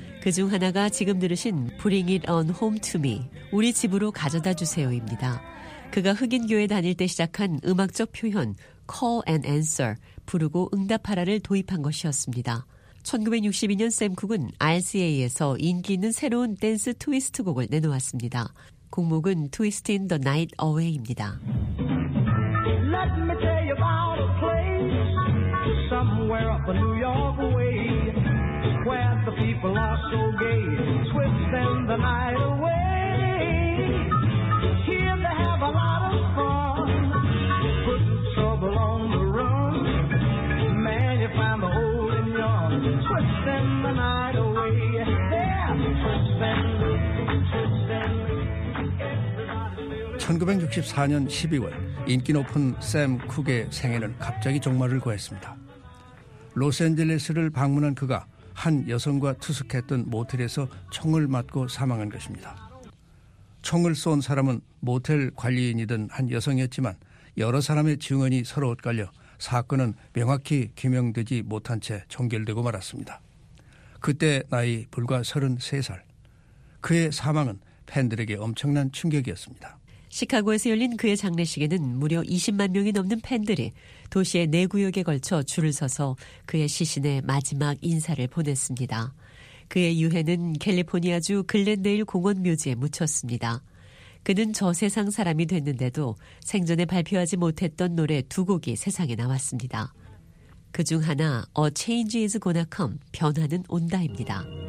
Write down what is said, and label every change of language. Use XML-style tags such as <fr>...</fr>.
<ko>그중 하나가 지금 들으신 Bring It On Home To Me, 우리 집으로 가져다 주세요입니다. 그가 흑인교회 다닐 때 시작한 음악적 표현 Call and Answer, 부르고 응답하라를 도입한 것이었습니다. 1962년 샘 쿡은 RCA에서 인기 있는 새로운 댄스 트위스트 곡을 내놓았습니다. 곡목은 Twist in the Night Away입니다.</ko> <en>Let me tell you about it. Somewhere up a New York way Where the people are so gay Twisting the night away Here they have a lot of fun Putting trouble on the run Man, you find the old and young Twisting the night away Yeah, twisting</en> <ko>1964년 12월 인기 높은 샘 쿡의 생애는 갑자기 종말을 구했습니다. 로스앤젤레스를 방문한 그가 한 여성과 투숙했던 모텔에서 총을 맞고 사망한 것입니다. 총을 쏜 사람은 모텔 관리인이던 한 여성이었지만 여러 사람의 증언이 서로 엇갈려 사건은 명확히 규명되지 못한 채 종결되고 말았습니다. 그때 나이 불과 33살. 그의 사망은 팬들에게 엄청난 충격이었습니다. 시카고에서 열린 그의 장례식에는 무려 20만 명이 넘는 팬들이 도시의 네 구역에 걸쳐 줄을 서서 그의 시신의 마지막 인사를 보냈습니다. 그의 유해는 캘리포니아주 글렌데일 공원 묘지에 묻혔습니다. 그는 저 세상 사람이 됐는데도 생전에 발표하지 못했던 노래 두 곡이 세상에 나왔습니다. 그중 하나 A Change Is Gonna Come, 변화는 온다입니다.</ko>